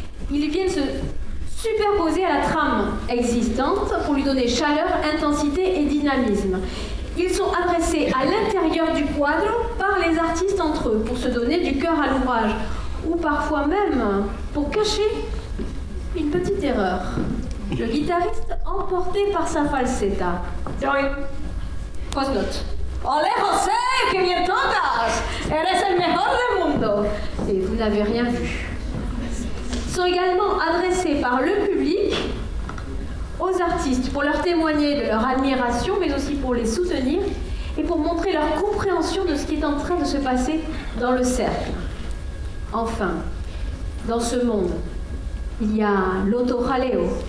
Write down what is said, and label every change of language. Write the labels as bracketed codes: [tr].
[fr] Ils viennent se superposer à la trame existante pour lui donner chaleur, intensité et dynamisme. Ils sont adressés à l'intérieur du quadro par les artistes entre eux pour se donner du cœur à l'ouvrage ou parfois même pour cacher une petite erreur. Le guitariste emporté par sa falsetta. [en] Sorry. [fr] Fausse note. [es] Olé José, que bien tantas! Eres el mejor del mundo! [fr] Et vous n'avez rien vu. Sont également adressés par le public aux artistes pour leur témoigner de leur admiration, mais aussi pour les soutenir et pour montrer leur compréhension de ce qui est en train de se passer dans le cercle. Enfin, dans ce monde, il y a l'autoraleo.